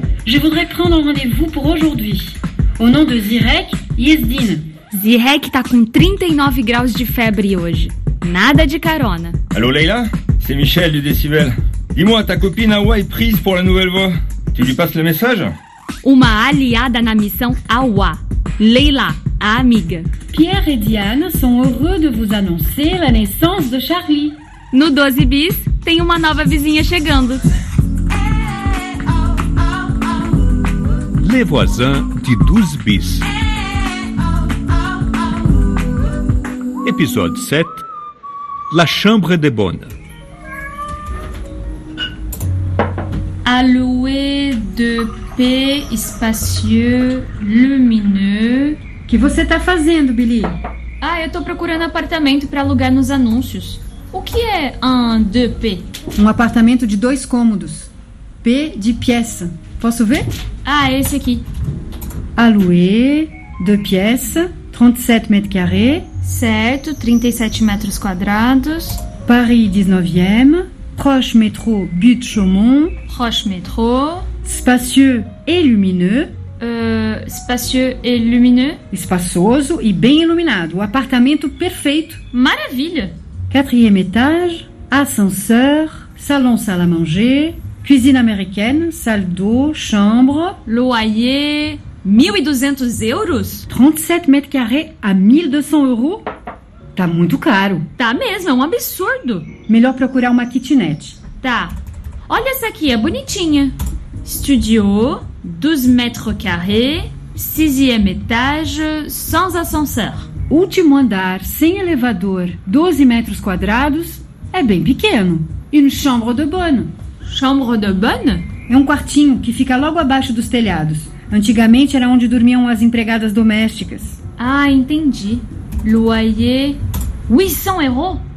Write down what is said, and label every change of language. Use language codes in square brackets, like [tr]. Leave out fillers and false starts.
[fr] Je voudrais prendre rendez-vous pour aujourd'hui. Au nom de Zirek Yesdin. [pt] Zirek tá com 39 graus de febre hoje. Nada de carona. [fr] Alô, Leila? C'est Michel du Décibel. Dis-moi, ta copine Awa est prise pour la nouvelle voie. Tu lui passes le message? [pt] Uma aliada na missão Awa. Leila, a amiga. [fr] Pierre et Diane sont heureux de vous annoncer la naissance de Charlie. [pt] No 12 bis, tem uma nova vizinha chegando. [fr] Le voisin de 12 bis. [pt] Episódio 7. [fr] La chambre de bonne. Alloué de paix espacieux lumineux. [pt] O que você tá fazendo, Billy? Ah, eu tô procurando apartamento pra alugar nos anúncios. O que é [fr] un de paix? [pt] Um apartamento de dois cômodos. P de pièce. Posso ver? Ah, esse aqui. [fr] Alloué de pièce, 37 mètres carrés. [pt] Certo, 37 metros quadrados. [fr] Paris 19e. Proche métro Butte-Chaumont. Proche métro. Spacieux et lumineux. Spacieux et lumineux. [pt] Espaçoso e bem iluminado. O apartamento perfeito. Maravilha! [fr] Quatrième étage. Ascenseur. Salon, salle à manger. Cuisine américaine. Salle d'eau. Chambre. Loyer. 1200 euros? 37 mètres carrés à 1200 euros? [pt] Tá muito caro. Tá mesmo, é um absurdo. Melhor procurar uma kitnet. Tá. Olha essa aqui, é bonitinha. [fr] Studio, 12 metros carrés, 6e étage, sans ascenseur. [pt] Último andar, sem elevador, 12 metros quadrados, é bem pequeno. [fr] Une chambre de bonne. Chambre de bonne? [pt] É um quartinho que fica logo abaixo dos telhados. Antigamente era onde dormiam as empregadas domésticas. Ah, entendi. Loyer 800 euros?